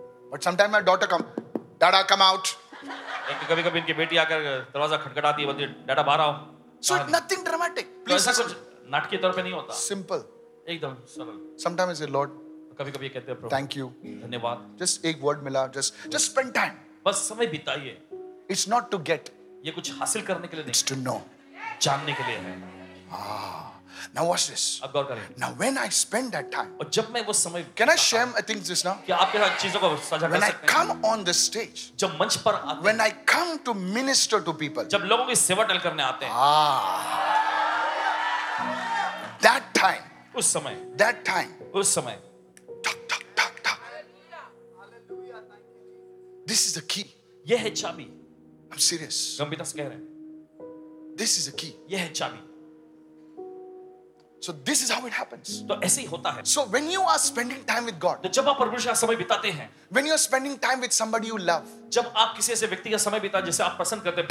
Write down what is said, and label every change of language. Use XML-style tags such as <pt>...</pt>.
<en>But sometimes my daughter come, dada come out.</en> <hi>कभी कभी इनकी बेटी आकर दरवाजा खटखटाती है, dada बाहर आओ.</hi> <en>So nothing dramatic.</en> <hi>Please. नाटकीय तौर पे नहीं होता. सिंपल, एकदम सरल.</hi> <en>Sometimes it's Lord.</en> <hi>कभी-कभी कहते हैं प्रभु.</hi> <en>Thank you.</en> <hi>धन्यवाद.</hi> <en>Just</en> <hi>एक वर्ड मिला.</hi> <en>Just spend time.</en> <hi>बस समय बिताइए.</hi> <en>It's not to get.</en> <hi>ये कुछ हासिल करने के लिए नहीं.</hi> <en>It's to know.</en> <hi>जानने के लिए है.</hi> <en>Now watch this.</en> <hi>अब गौर करें.</hi> <en>Now when I spend that time.</en> <hi>और जब मैं वो समय.</hi> <en>Can I share my things just now?</en> <hi>कि आपके साथ चीजों को साझा कर सकते हैं.</hi> <en>When I come on the stage.</en> <hi>जब मंच पर आते हैं.</hi> <en>When I come to minister to people.</en> <hi>जब लोगों की सेवा टहल करने आते हैं.</hi> <en>That time.</en> <hi>उस समय.</hi> <en>That time.</en> <hi>उस समय.</hi> <en>Tuck, tuck, tuck, tuck. This is the key.</en> <hi>यह है चाबी.</hi> <en>I'm serious.</en> <hi>गंभीरता से कह रहे हैं.</hi> <en>This is the key.</en> <hi>यह है चाबी.</hi> <en>So this is how it happens.</en> <hi>तो ऐसे ही होता है.</hi> <en>So when you are spending time with God.</en> <hi>तो जब आप परमेश्वर का समय बिताते हैं.</hi> <en>When you are spending time with somebody you love.</en> <hi>जब आप किसी ऐसे व्यक्ति का समय बिताते हैं जिसे आप पसंद करते हैं.</hi>